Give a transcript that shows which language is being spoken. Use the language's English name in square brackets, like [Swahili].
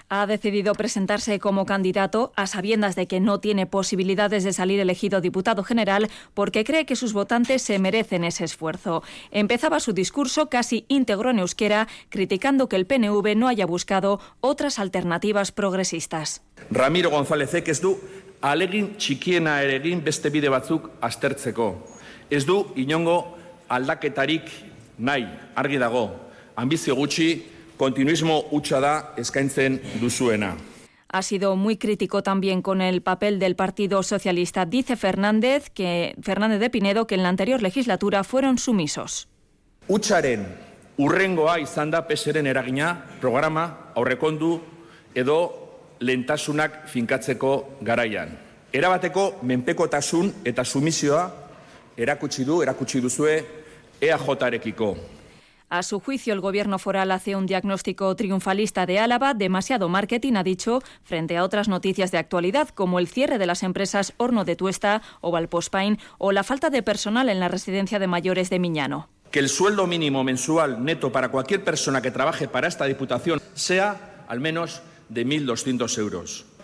[Spanish] Ha decidido presentarse como candidato a sabiendas de que no tiene posibilidades de salir elegido diputado general porque cree que sus votantes se merecen ese esfuerzo. Empezaba su discurso casi íntegro en euskera, criticando que el PNV no haya buscado otras alternativas progresistas. [Basque] Ramiro González ez du alegin txikiena ere egin beste bide batzuk aztertzeko. Ez du inongo aldaketarik nahi, argi dago. Ambizio gutxi, kontinuismo hutsa da eskaintzen duzuena. [Spanish] Ha sido muy crítico también con el papel del Partido Socialista. Dice Fernández de Pinedo que en la anterior legislatura fueron sumisos. [Basque] Hutsaren urrengoa izan da PSren eragina, programa, aurrekondu edo lentasunak finkatzeko garaian. Erabateko menpekotasun eta sumisioa erakutsi duzue EAJarekiko. [Spanish] A su juicio, el gobierno foral hace un diagnóstico triunfalista de Álava, demasiado marketing, ha dicho, frente a otras noticias de actualidad, como el cierre de las empresas Horno de Tuesta o Valpospain, o la falta de personal en la residencia de mayores de Miñano. Que el sueldo mínimo mensual neto para cualquier persona que trabaje para esta diputación sea, al menos, de 1.200 euros.